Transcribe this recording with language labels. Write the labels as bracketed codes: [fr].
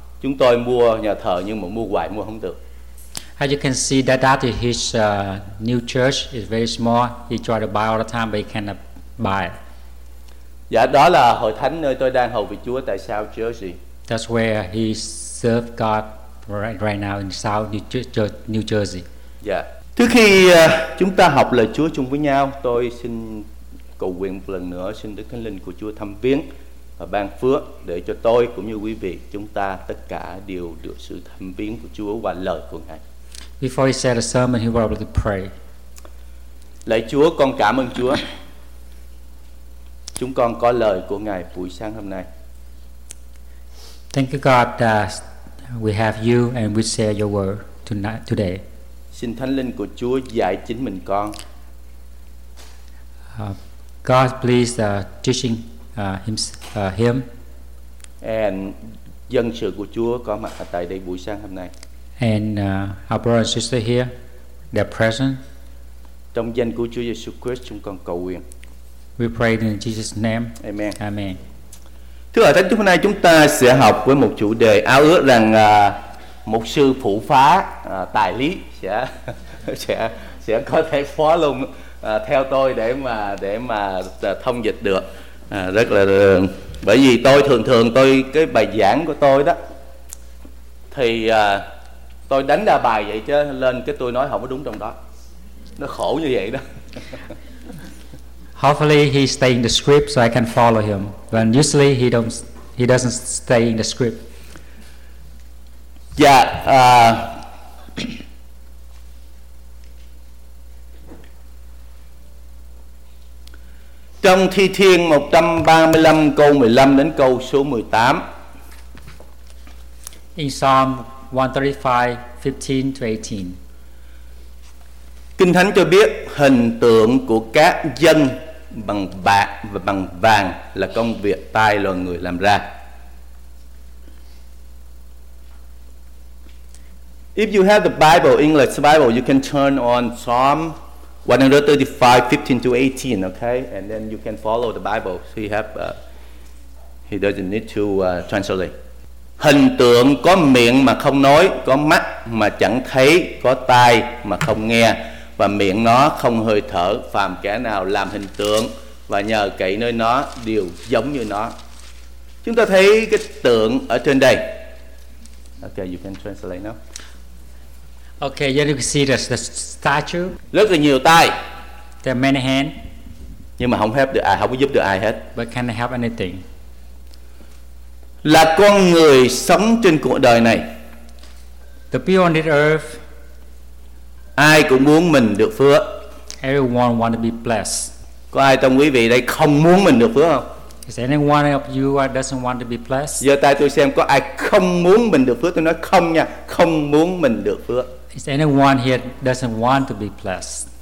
[vi] Chúng tôi mua nhà thờ nhưng mà mua hoài mua không được. [en] As you can see that is his new church is very small. He tried to buy all the time but he cannot buy it. [vi] Dạ, đó là Hội Thánh nơi tôi đang hầu vị Chúa tại South Jersey. [en] That's where he serve God right now in South New Jersey. [vi] Dạ. Trước khi chúng ta học lời Chúa chung với nhau, tôi xin cầu nguyện một lần nữa, xin Đức Thánh Linh của Chúa thăm viếng và ban phước để cho tôi cũng như quý vị chúng ta tất cả đều được sự thăm viếng của Chúa và lời của Ngài. [en] Before he said a sermon, he wanted to pray. [vi] Lạy Chúa, con cảm ơn Chúa. Chúng con có lời của Ngài buổi sáng hôm nay. [en] Thank you God that we have you and we share your word tonight today. [vi] Xin Thánh Linh của Chúa dạy chính mình con. [en] God please teaching him [vi] and dân sự của Chúa có mặt ở tại đây buổi sáng hôm nay. [en] And our brother and sister here, they're present. [vi] Trong danh của Chúa Jesus Christ chúng con cầu nguyện. [en] We pray in Jesus' name. Amen. Amen. [vi] Thưa Hội Thánh, hôm nay chúng ta sẽ học với một chủ đề ao ước rằng một sư phụ phá tài lý sẽ có thể phó luôn theo tôi để mà thông dịch được rất là bởi vì tôi thường tôi cái bài giảng của tôi đó thì tôi đánh ra bài vậy chứ lên cái tôi nói không có đúng trong đó, nó khổ như vậy đó. [en] Hopefully he stay in the script so I can follow him. When usually he doesn't stay in the script. Yeah. [vi] Trong Thi Thiên 135 câu 15 đến câu số 18. [en] In Psalm 135, 15 to 18. [vi] Kinh Thánh cho biết hình tượng của các dân bằng bạc và bằng vàng là công việc tay loài người làm ra. [en] If you have the Bible, English Bible, you can turn on Psalm 135, 15 to 18, okay? And then you can follow the Bible. So he doesn't need to translate. [vi] Hình tượng có miệng mà không nói, có mắt mà chẳng thấy, có tai mà không nghe, và miệng nó không hơi thở, phàm kẻ nào làm hình tượng và nhờ cậy nơi nó đều giống như nó. Chúng ta thấy cái tượng ở trên đây. [en] Okay, you can translate now. Okay, you can see the statue. [vi] Rất là nhiều tay. [en] There are many hands. [vi] Nhưng mà không help được ai, không có giúp được ai hết. [en] But can't help anything. [vi] Là con người sống trên cuộc đời này. [en] The people on this earth. [vi] Ai cũng muốn mình được phước. [en] Everyone want to be blessed. [vi] Có ai trong quý vị đây không muốn mình được phước không? [en] Is anyone of you who doesn't want to be blessed? [vi] Giơ tay tôi xem có ai không muốn mình được phước, tôi nói không nha, không muốn mình được phước. [en] Is anyone here doesn't want to be blessed?